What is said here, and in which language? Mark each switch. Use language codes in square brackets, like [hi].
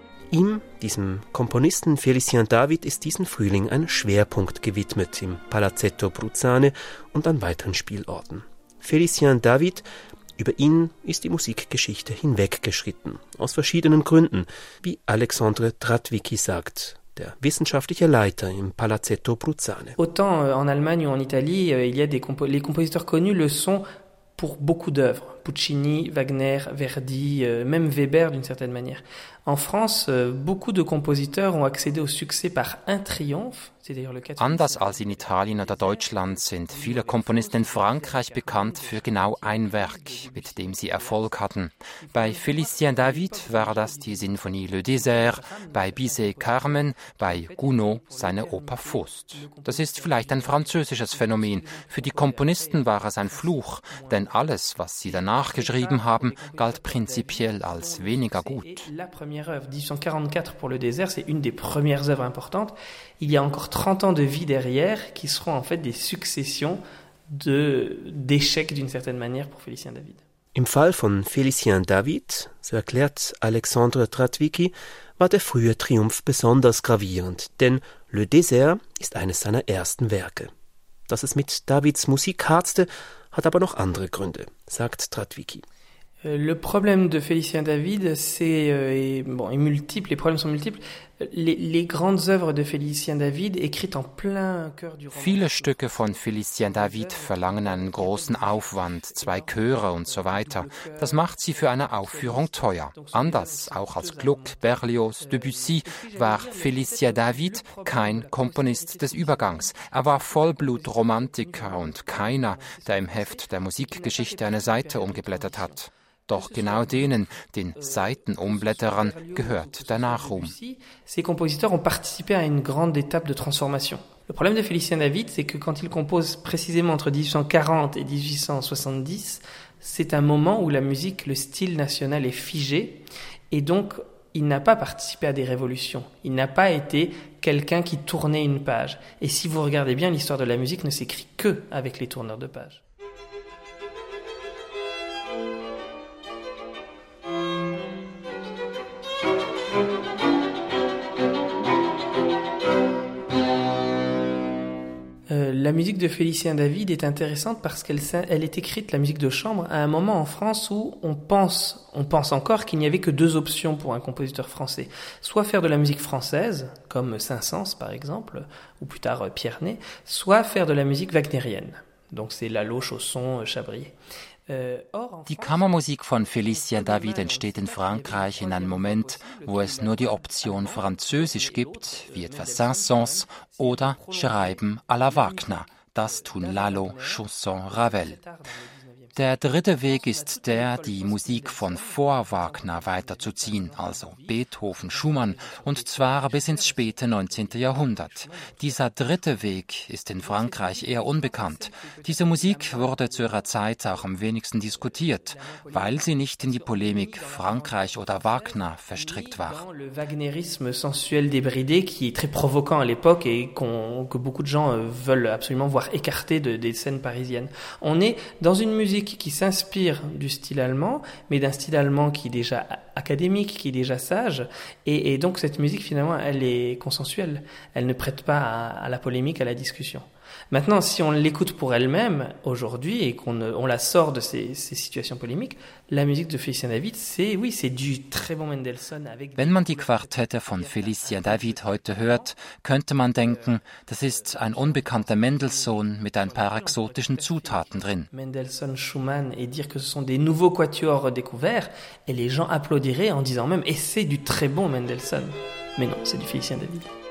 [de] Ihm, diesem Komponisten Félicien David, ist diesen Frühling ein Schwerpunkt gewidmet im Palazzetto Bruzzane und an weiteren Spielorten. Félicien David, über ihn ist die Musikgeschichte hinweggeschritten, aus verschiedenen Gründen, wie Alexandre Tratwicki sagt, der wissenschaftliche Leiter im Palazzetto Bruzzane. [fr] Autant en Allemagne ou en Italie, il y a des les compositeurs connus le sont pour beaucoup d'œuvres. Puccini, Wagner, Verdi, même Weber d'une certaine manière. En France, beaucoup de compositeurs ont accédé au succès par un triomphe. [de] Anders als in Italien oder Deutschland sind viele Komponisten in Frankreich bekannt für genau ein Werk, mit dem sie Erfolg hatten. Bei Félicien David war das die Sinfonie Le Désert, bei Bizet Carmen, bei Gounod seine Oper Faust. Das ist vielleicht ein französisches Phänomen. Für die Komponisten war es ein Fluch, denn alles, was sie danach geschrieben haben, galt prinzipiell als weniger gut. [fr] La première œuvre, 1844 pour Le Désert, c'est une des premières œuvres importantes. Il y a encore 30 ans de vie derrière qui seront en fait des successions d'échecs d'une certaine manière pour Félicien David. [de] Im Fall von Félicien David, so erklärt Alexandre Tratwicki, war der frühe Triumph besonders gravierend, denn Le Désert ist eines seiner ersten Werke. Dass es mit Davids Musik harzte, hat aber noch andere Gründe, sagt Tratwicki. [fr] Le problème de Félicien David, est multiple. Les problèmes sont multiples. Les grandes œuvres de Félicien David, écrites en plein cœur du roman. [de] Viele Stücke von Félicien David verlangen einen großen Aufwand, 2 Chöre und so weiter. Das macht sie für eine Aufführung teuer. Anders auch als Gluck, Berlioz, Debussy war Félicien David kein Komponist des Übergangs. Er war Vollblutromantiker und keiner, der im Heft der Musikgeschichte eine Seite umgeblättert hat. Doch genau denen, den Seitenumblätterern, gehört der Nachruhm. [fr] Ces compositeurs ont participé à une grande étape de transformation. Le problème de Félicien David, c'est que quand il compose précisément entre 1840 et 1870, c'est un moment où la musique, le style national est figé, et donc il n'a pas participé à des révolutions. Il n'a pas été quelqu'un qui tournait une page. Et si vous regardez bien, l'histoire de la musique ne s'écrit que avec les tourneurs de pages. La musique de Félicien David est intéressante parce qu'elle est écrite, la musique de chambre, à un moment en France où on pense encore qu'il n'y avait que deux options pour un compositeur français. Soit faire de la musique française, comme Saint-Saëns par exemple, ou plus tard Pierre Ney, soit faire de la musique wagnérienne. Donc c'est Lalo, Chausson, Chabrier. [de] Die Kammermusik von Félicien David entsteht in Frankreich in einem Moment, wo es nur die Option Französisch gibt, wie etwa Saint-Saëns, oder Schreiben à la Wagner. Das tun Lalo, Chausson, Ravel. Der dritte Weg ist der, die Musik von vor Wagner weiterzuziehen, also Beethoven, Schumann, und zwar bis ins späte 19. Jahrhundert. Dieser dritte Weg ist in Frankreich eher unbekannt. Diese Musik wurde zu ihrer Zeit auch am wenigsten diskutiert, weil sie nicht in die Polemik Frankreich oder Wagner verstrickt war. [fr] Le wagnerisme sensuel débridé qui est très provocant à l'époque et que beaucoup de gens veulent absolument voir écarté des scènes parisiennes. On est dans une musique qui s'inspire du style allemand, mais d'un style allemand qui est déjà académique, qui est déjà sage. Et donc cette musique, finalement, elle est consensuelle. Elle ne prête pas à la polémique, à la discussion. Maintenant, si on l'écoute pour elle-même aujourd'hui et qu'on la sort de ces situations polémiques, la musique de Félicien David, c'est du très bon Mendelssohn. [de] Wenn man die Quartette von Félicien David heute hört, könnte man denken, das ist ein unbekannter Mendelssohn mit ein paar exotischen Zutaten drin. [fr] Mendelssohn, Schumann et dire que ce sont des nouveaux quatuors découverts et les gens applaudiraient en disant même et c'est du très bon Mendelssohn. Mais non, c'est du Félicien David.